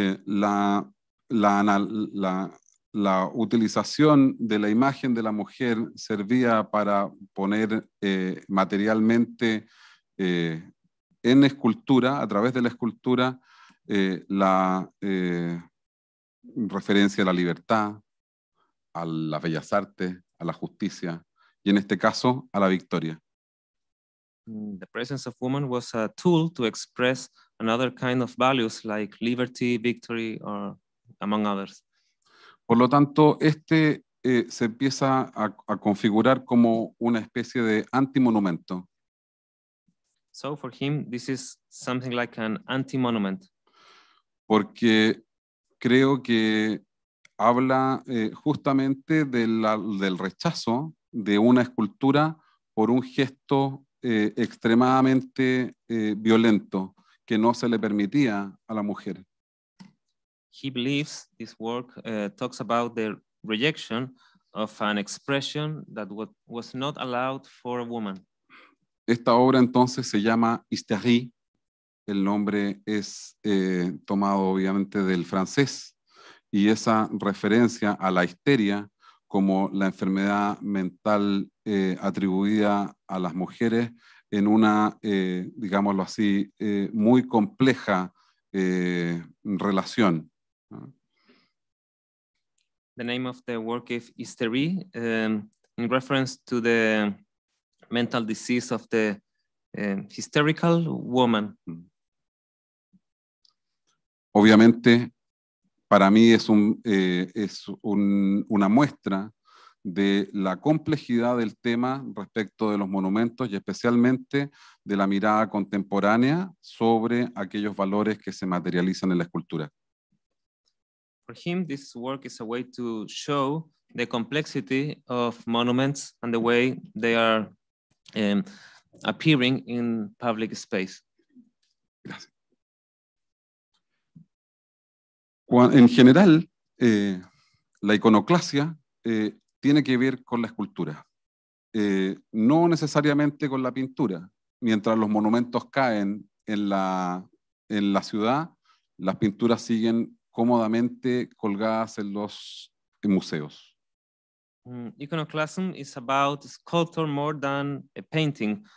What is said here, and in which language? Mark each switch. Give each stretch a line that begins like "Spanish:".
Spanish: La utilización de la imagen de la mujer servía para poner materialmente en escultura, a través de la escultura, referencia a la libertad, a las bellas artes, a la justicia, y en este caso, a la victoria.
English: The presence of woman was a tool to express another kind of values like liberty, victory, or among others.
Spanish: Por lo tanto, este se empieza a configurar como una especie de antimonumento.
English: So for him, this is something like an anti-monument.
Spanish: Porque creo que habla justamente del rechazo de una escultura por un gesto extremadamente violento que no se le permitía a la mujer.
English: He believes this work talks about the rejection of an expression that was not allowed for a woman.
Spanish: Esta obra entonces se llama Hystérie. El nombre es tomado obviamente del francés y esa referencia a la histeria como la enfermedad mental atribuida a las mujeres en una, digámoslo así, muy compleja relación.
English: The name of the work is Hystérie, in reference to the mental disease of the hysterical woman.
Spanish: Obviamente, para mí es una muestra de la complejidad del tema respecto de los monumentos y especialmente de la mirada contemporánea sobre aquellos valores que se materializan en la escultura.
English: For him, this work is a way to show the complexity of monuments and the way they are appearing in public space.
Spanish: Gracias. En general, la iconoclasia tiene que ver con la escultura, no necesariamente con la pintura. Mientras los monumentos caen en la ciudad, las pinturas siguen cómodamente colgadas en los museos.
English: Iconoclasm is about sculpture more than a painting.